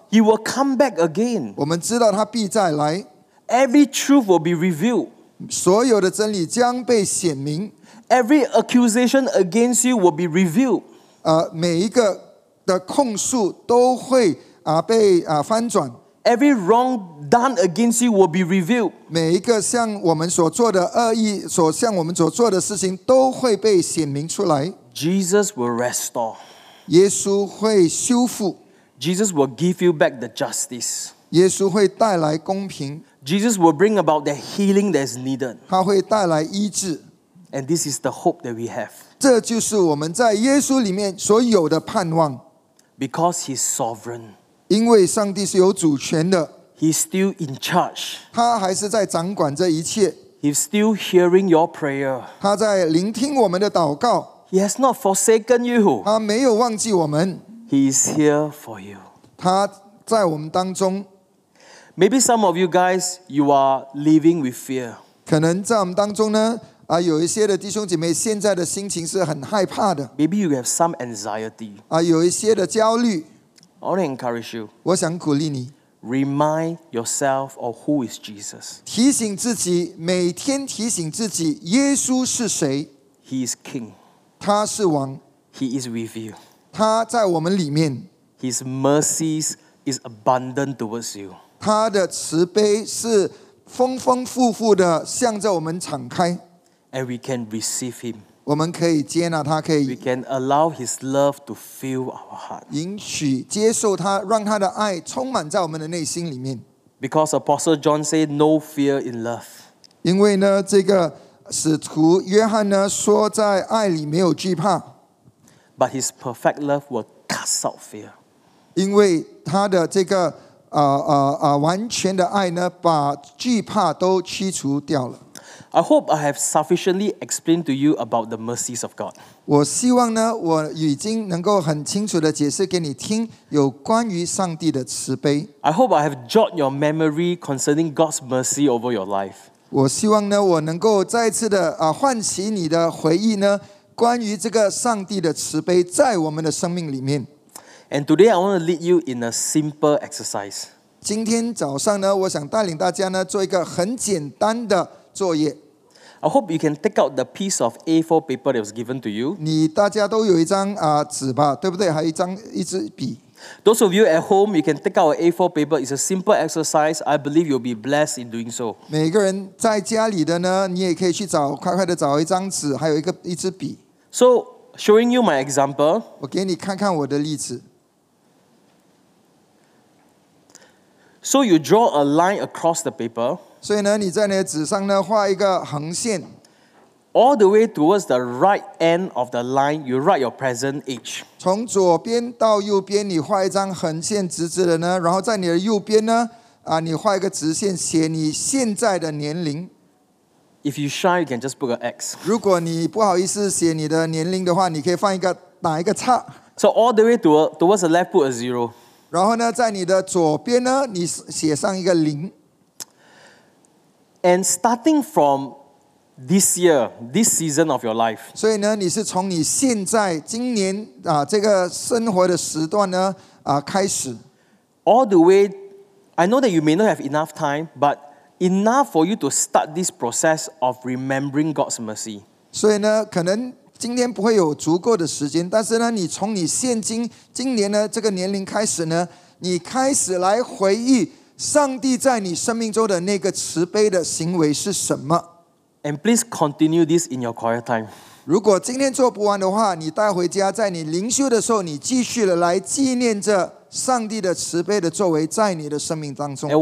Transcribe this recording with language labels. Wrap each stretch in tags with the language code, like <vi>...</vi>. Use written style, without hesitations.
<en>，He will come back again。</en> <zh>我们知道他必再来</zh> <en>，Every truth will be revealed，</en> <zh>所有的真理将被显明。</zh> <en>Every accusation against you will be revealed.</en> <zh>每一个的控诉都会被翻转。</zh> <en>Every wrong done against you will be revealed.</en> <zh>每一个向我们所做的恶意，所向我们所做的事情都会被显明出来。</zh> <en>Jesus will restore.</en> <zh>耶稣会修复。</zh> <en>Jesus will give you back the justice.</en> <zh>耶稣会带来公平。</zh> <en>Jesus will bring about the healing that is needed.</en> <zh>他会带来医治。</zh> <en>And this is the hope that we have.</en> <zh>这就是我们在耶稣里面所有的盼望。</zh> <en>Because he's sovereign.</en> <zh>因为上帝是有主权的。</zh> <en>He's still in charge.</en> <zh>他还是在掌管这一切。</zh> <en>He's still hearing your prayer.</en> <zh>他在聆听我们的祷告。</zh> <en>He has not forsaken you.</en> <zh>他没有忘记我们。</zh> <en>He is here for you.</en> <zh>他在我们当中。</zh> <en>Maybe some of you guys, you are living with fear.</en> <zh>可能在我们当中呢有一些的弟兄姐妹现在的心情是很害怕的。</zh> <en>Maybe you have some anxiety.</en> <zh>有一些的焦虑。</zh> <en>I want to encourage you.</en> <zh>我想鼓励你。</zh> <en>Remind yourself of who is Jesus.</en> <zh>提醒自己，每天提醒自己，耶稣是谁</zh> <en>？He is King.</en> <zh>他是王。</zh> <en>He is with you.</en> <zh>他在我们里面。</zh> <en>His mercies is abundant towards you.</en> <zh>他的慈悲是丰丰富富的向着我们敞开。</zh> <en>And we can receive him.</en> <zh>我们可以接纳他，可以。</zh> <en>We can allow his love to fill our heart.</en> <zh>允许接受他，让他的爱充满在我们的内心里面。</zh> <en>Because Apostle John said, "No fear in love."</en> <zh>因为呢，这个使徒约翰呢说，在爱里没有惧怕。</zh> <en>But his perfect love will cast out fear.</en> <zh>因为他的这个完全的爱呢，把惧怕都驱除掉了。</zh> <en>I hope I have sufficiently explained to you about the mercies of God.</en> <zh>我希望呢，我已经能够很清楚的解释给你听，有关于上帝的慈悲。</zh> <en>I hope I have jogged your memory concerning God's mercy over your life.</en> <zh>我希望呢，我能够再次的唤起你的回忆呢，关于这个上帝的慈悲在我们的生命里面。</zh> <en>And today I want to lead you in a simple exercise.</en> <zh>今天早上呢，我想带领大家呢做一个很简单的作业。</zh> <en>I hope you can take out the piece of A4 paper that was given to you.</en> <zh>你大家都有一张纸吧，对不对？还有一支笔。</zh> <en>Those of you at home, you can take out A4 paper. It's a simple exercise. I believe you'll be blessed in doing so.</en> <zh>每个人在家里的呢，你也可以去找，快快的找一张纸，还有一支笔。</zh> <en>So showing you my example.</en> <zh>我给你看看我的例子。</zh> <en>So you draw a line across the paper.</en> <zh>所以呢，你在你的纸上呢画一个横线。</zh> <en>All the way towards the right end of the line, you write your present age.</en> <zh>从左边到右边，你画一张横线，直直的呢。然后在你的右边呢，你画一个直线，写你现在的年龄。</zh> <en>If you shy, you can just put an X.</en> <zh>如果你不好意思写你的年龄的话，你可以放一个打一个叉。</zh> <en>So all the way towards the left, put a zero.</en> <zh>然后呢，在你的左边呢，你写上一个零。</zh> <en>And starting from this year, this season of your life.</en> <zh>所以呢，你是从你现在今年这个生活的时段呢开始。</zh> <en>All the way, I know that you may not have enough time, but enough for you to start this process of remembering God's mercy.</en> <zh>所以呢，可能。今天不会有足够的时间，但是呢，你从你现今今年呢这个年龄开始呢，你开始来回忆上帝在你生命中的那个慈悲的行为是什么。</zh> <en>And please continue this in your quiet time.</en> <zh>如果今天做不完的话，你带回家，在你灵修的时候，你继续的来纪念着上帝的慈悲的作为在你的生命当中。</zh>